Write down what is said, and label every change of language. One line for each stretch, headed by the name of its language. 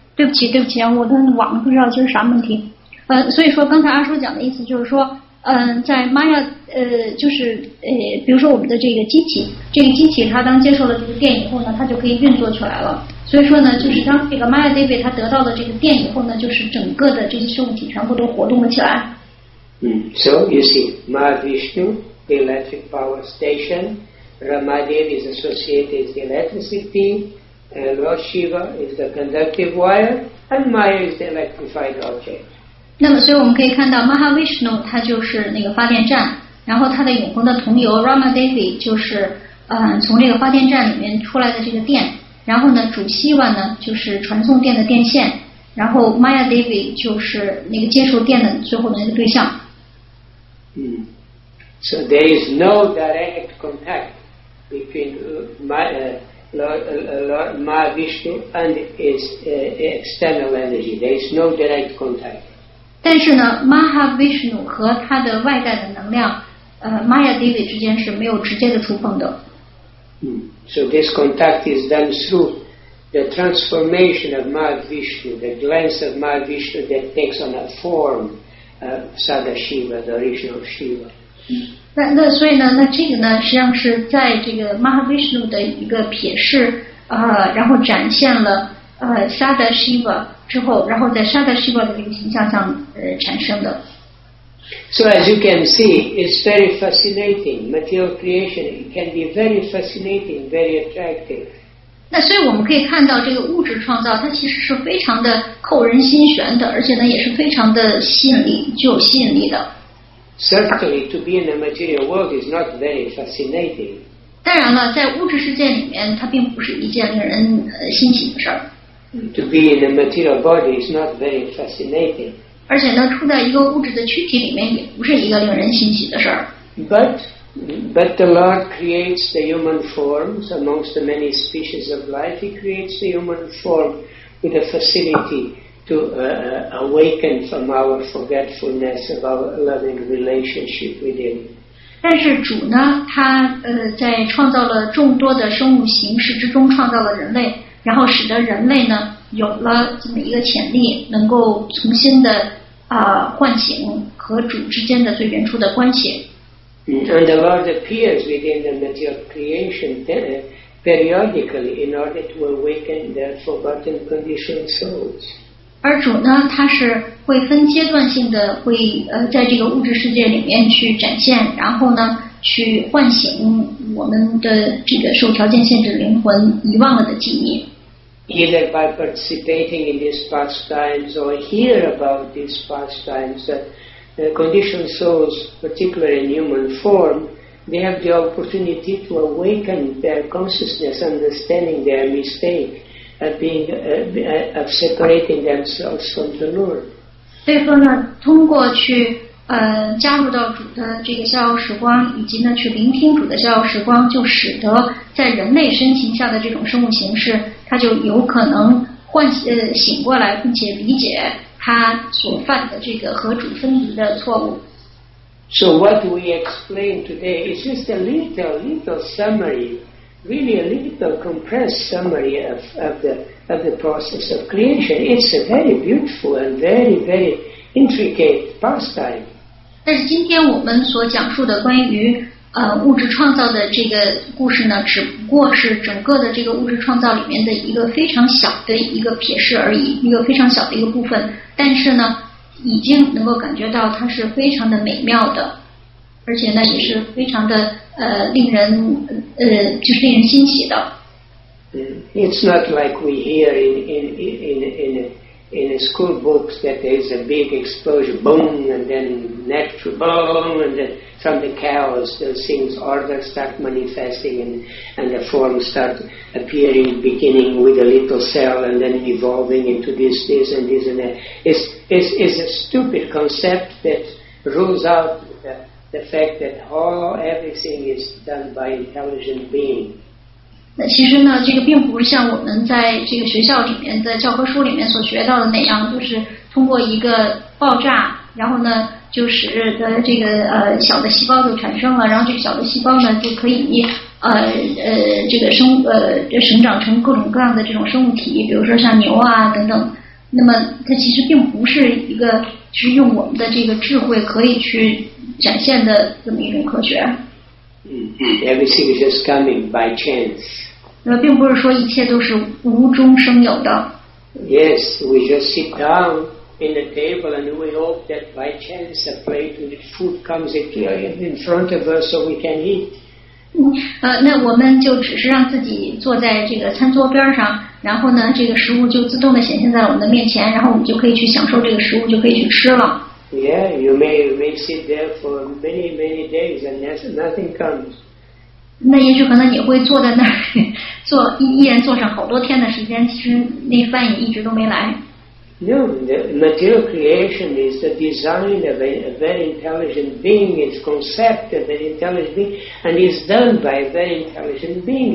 Chinese: 对不起，我的网不知道就是啥问题。所以说刚才阿叔讲的意思就是说，在玛雅就是比如说我们的这个机器，这个机器它当接受了这个电以后呢，它就可以运作出来了。所以说呢，就是当这个 Maya Devi 他得到的这个电以后呢，就是整个的这些生物体全部都活动了起来。
English: 嗯 ，So you see, Maya Vishnu, the electric power station, Rama Devi is associated with the electricity, Lord Shiva is the conductive wire, and Maya is the electrified object.
Chinese: 那么，所以我们可以看到 ，Maya Vishnu 它就是那个发电站，然后它的永恒的同游 Rama Devi 就是从这个发电站里面出来的这个电。然后呢，主希望呢就是传送电的电线，然后 Maya Devi 就是那个接受电的最后的那个对象。
English: So there is no direct contact between Maya Vishnu and its external energy. There is no direct contact.
Chinese: 但是呢 ，Maya Vishnu 和他的外在的能量，Maya Devi 之间是没有直接的触碰的。
English: So this contact is done through the transformation of Mahavishnu, the glance of Mahavishnu that takes on a form of Sada Shiva, the original Shiva.
Chinese: 那所以呢，那这个呢，实际上是在这个 Mahavishnu 的一个瞥视然后展现了Sada Shiva 之后，然后在 Sada Shiva 的这个形象上产生的。
English: So as you can see, it's very fascinating. Material creation can be very fascinating, very attractive.
Chinese: 那所以我们可以看到，这个物质创造它其实是非常的扣人心弦的，而且呢也是非常的吸引力，具有吸引力的。
English: Certainly, to be in the material world is not very fascinating.
Chinese: 当然了，在物质世界里面，它并不是一件令人欣喜的事儿。
English: To be in the material body is not very fascinating.
Chinese: 而且呢，处在一个物质的躯体里面，也不是一个令人欣喜的事儿。
English: But the Lord creates the human forms amongst the many species of life. He creates the human form with a facility to awaken from our forgetfulness of our loving relationship with Him.
Chinese: 但是主呢，他在创造了众多的生物形式之中，创造了人类，然后使得人类呢。有了这么一个潜力，能够重新的唤醒和主之间的最原初的关系。
English: And the Lord appears within the material creation periodically in order to awaken the forgotten conditioned souls.
Chinese: 而主呢，他是会分阶段性的会在这个物质世界里面去展现，然后呢去唤醒我们的这个受条件限制的灵魂遗忘了的记忆。
English: Either by participating in these pastimes or hear about these pastimes, that the conditioned souls, particularly in human form, they have the opportunity to awaken their consciousness, understanding their mistake of being of separating themselves from the Lord.
Chinese: 所以说呢，通过去加入到主的这个逍遥时光，以及呢去聆听主的逍遥时光，就使得在人类身形下的这种生物形式。他就有可能醒过来，并且理解他所犯的这个和主分离的错误。
English: So what we explain today is just a little summary, really a little compressed summary of the process of creation. It's a very beautiful and very intricate pastime.
Chinese: 但是今天我们所讲述的关于物质创造的这个故事呢，只不过是整个的这个物质创造里面的一个非常小的一个瞥视而已，一个非常小的一个部分。但是呢，已经能够感觉到它是非常的美妙的，而且呢，也是非常的令人欣喜的。
English: It's not like we hear in school books that there is a big explosion, boom, and then next boom, and then from the chaos, those things, order start manifesting, and the form start appearing, beginning with a little cell, and then evolving into this, and this, and that. It's a stupid concept that rules out the fact that all everything is done by intelligent being.
Chinese: 那其实呢，这个并不是像我们在这个学校里面，在教科书里面所学到的那样，就是通过一个爆炸，然后呢，就使得这个小的细胞就产生了，然后这个小的细胞呢就可以这个生长成各种各样的这种生物体，比如说像牛啊等等。那么它其实并不是一个，是用我们的这个智慧可以去展现的这么一种科学。
English: Everything is just coming by chance.
Chinese: 那并不是说一切都是无中生有的。
English: Yes, we just sit down in the table and we hope that by chance a plate with food comes in front of us so we can eat.
Chinese: 那我们就只是让自己坐在这个餐桌边上，然后呢，这个食物就自动的显现在我们的面前，然后我们就可以去享受这个食物，就可以去吃了。
English: Yeah, you may sit there for many, many days and nothing comes.
Chinese: 那也许可能你会坐在那儿坐一人坐上好多天的时间，其实那饭也一直都没来。
English: No, the material creation is the design of a very intelligent being. It's concept of an intelligent being, and is done by a very intelligent being.